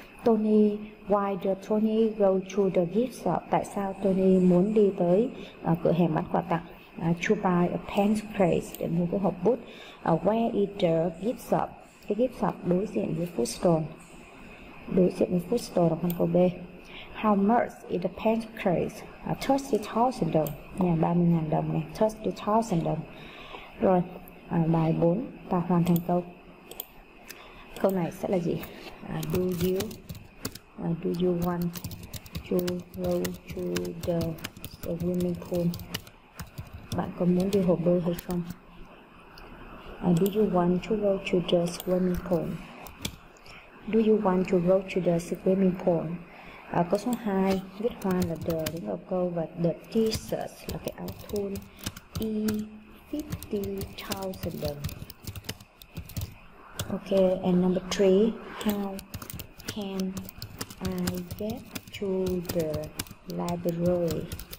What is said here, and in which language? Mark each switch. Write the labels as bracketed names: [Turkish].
[English] Tony, why do Tony go to the gift shop? [Vietnamese] Tại sao Tony muốn đi tới cửa hàng bán quà tặng? [English] To buy a pen case, [Vietnamese] để mua cái hộp bút. [English] Where is the gift shop? [Vietnamese] Cái gift shop đối diện với food store. Đối diện với food store là con câu B. [English] How much is the pen case? $30,000. [Vietnamese] Nhà 30.000 đồng này. $30,000. Rồi, bài 4, ta hoàn thành câu. Câu này sẽ là gì? [English] Do you want to go to the swimming pool? [Vietnamese] Bạn có muốn đi hồ bơi hay không? [English] Do you want to go to the swimming pool? Do you want to go to the swimming pool? [Vietnamese] Câu số 2, viết hoa là the đứng đầu câu và the t-shirt là cái áo thun. [English] $50,000. Okay, and number 3, how can I get to the library?